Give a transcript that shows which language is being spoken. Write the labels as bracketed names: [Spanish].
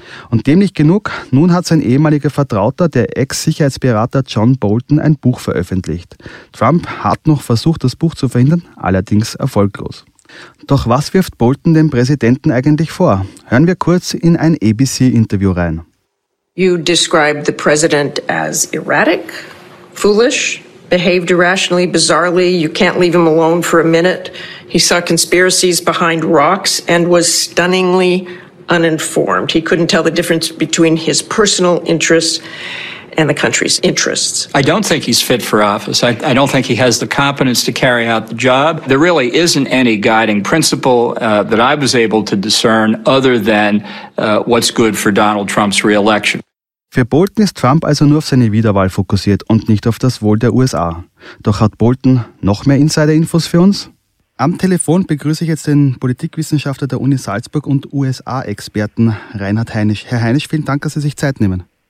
[German] Und dem nicht genug, nun hat sein ehemaliger Vertrauter, der Ex-Sicherheitsberater John Bolton, ein Buch veröffentlicht. Trump hat noch versucht, das Buch zu verhindern, allerdings erfolglos. Doch was wirft Bolton dem Präsidenten eigentlich vor? Hören wir kurz in ein ABC-Interview rein. [English] You describe the president as erratic, foolish, behaved irrationally, bizarrely. You can't leave him alone for a minute. He saw conspiracies behind rocks and was stunningly uninformed. He couldn't tell the difference between his personal interests and the country's interests. I don't think he's fit for office. I don't think he has the competence to carry out the job. There really isn't any guiding principle that I was able to discern other than what's good for Donald Trump's re-election. [German] Für Bolton ist Trump also nur auf seine Wiederwahl fokussiert und nicht auf das Wohl der USA. Doch hat Bolton noch mehr Insider-Infos für uns? Am Telefon begrüße ich jetzt den Politikwissenschaftler der Uni Salzburg und USA-Experten Reinhard Heinisch. Herr Heinisch, vielen Dank, dass Sie sich Zeit nehmen.